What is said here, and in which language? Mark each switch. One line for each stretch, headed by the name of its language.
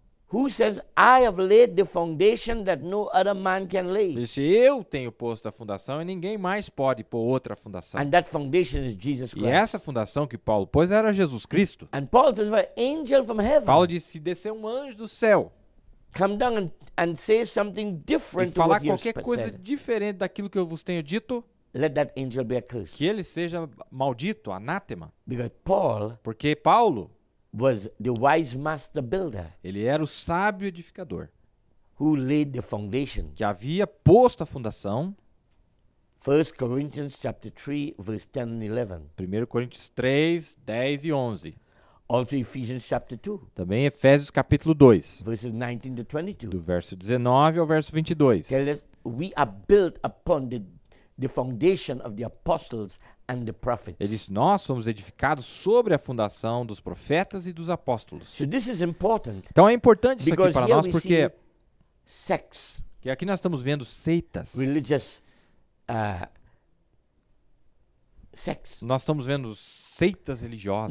English: who says, I have laid the foundation that no other man can lay.
Portuguese: Disse, eu tenho posto a fundação e ninguém mais pode pôr outra fundação.
English: And that foundation is Jesus Christ.
Portuguese: E essa fundação que Paulo pôs era Jesus Cristo.
English: And Paul says, an angel from heaven.
Portuguese: Paulo disse, desceu um anjo do céu.
English: Come down and say something different
Portuguese: e falar
English: to what
Portuguese: qualquer coisa
English: said.
Portuguese: Diferente daquilo que eu vos tenho dito.
English: Let that angel be accursed.
Portuguese: Que ele seja maldito, anátema.
English: Because Paul,
Portuguese: porque Paulo
English: was the wise master builder.
Portuguese: Ele era o sábio edificador.
English: Who laid the foundation?
Portuguese: Que havia posto a fundação.
English: 1 Corinthians chapter 3 verse 10 and 11.
Portuguese: 1 Coríntios 3, 10 e 11.
English: Also Ephesians chapter 2.
Portuguese: Também Efésios capítulo 2.
English: Verses 19 to 22.
Portuguese: Do verso 19 ao verso 22.
English: We are built upon the foundation of the apostles and the prophets.
Portuguese: Ele diz, nós somos edificados sobre a fundação dos profetas e dos apóstolos.
English: So this is important.
Portuguese: Então é importante isso aqui para nós porque
English: sects.
Portuguese: Que aqui nós estamos vendo seitas.
English: Religious sects.
Portuguese: Nós estamos vendo seitas religiosas.